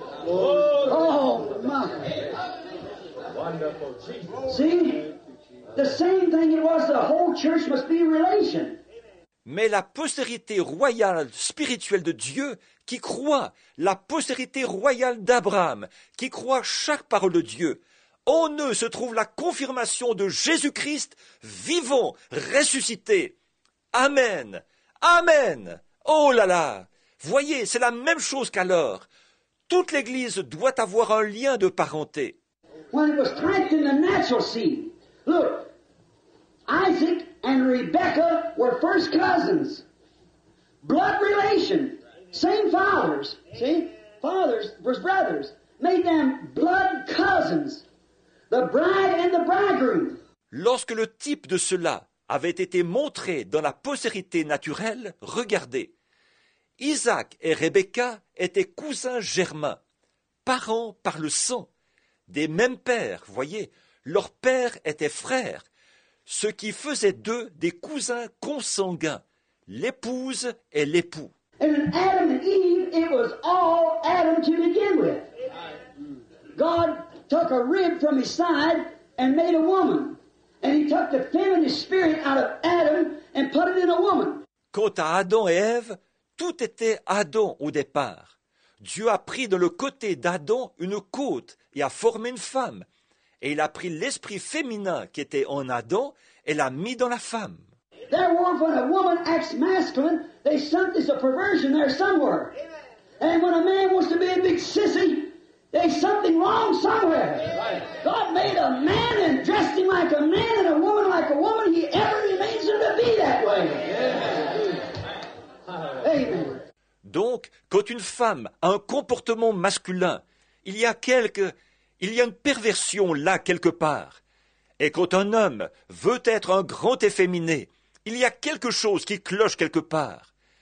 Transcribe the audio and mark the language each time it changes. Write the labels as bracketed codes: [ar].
[en] Oh my. Wonderful Jesus. See, the same thing it was, the whole church must be relation. [fr] Mais la postérité royale spirituelle de Dieu qui croit, la postérité royale d'Abraham qui croit chaque parole de Dieu, en eux se trouve la confirmation de Jésus-Christ vivant, ressuscité. Amen. Amen. Oh là là. Voyez, c'est la même chose qu'alors. Toute l'Église doit avoir un lien de parenté. [en] When it was planted in the natural seed, look, Isaac and Rebecca were first cousins. Blood relation. Same fathers. See? Fathers versus brothers. Made them blood cousins. The bride and the bridegroom. [fr] Lorsque le type de cela avait été montré dans la postérité naturelle, regardez. Isaac et Rebecca étaient cousins germains, parents par le sang, des mêmes pères, voyez, leur père était frère, ce qui faisait d'eux des cousins consanguins, l'épouse et l'époux. [en] And in Adam and Eve, it was all Adam to begin with. God took a rib from his side and made a woman. And he took the feminine spirit out of Adam and put it in a woman. [fr] Quant à Adam et Ève, tout était Adam au départ. Dieu a pris dans le côté d'Adam une côte et a formé une femme. Et il a pris l'esprit féminin qui était en Adam et l'a mis dans la femme. [en] There were when a woman acts masculine, there's something, a perversion there somewhere. Amen. And when a man wants to be a big sissy, there's something wrong somewhere. Amen. God made a man and dressed him like a man and a woman like a woman. He ever remains him to be that way. Amen. [fr] Donc, quand une femme a un comportement masculin, il y a une perversion là quelque part. Et quand un homme veut être un grand efféminé, il y a quelque chose qui cloche quelque part.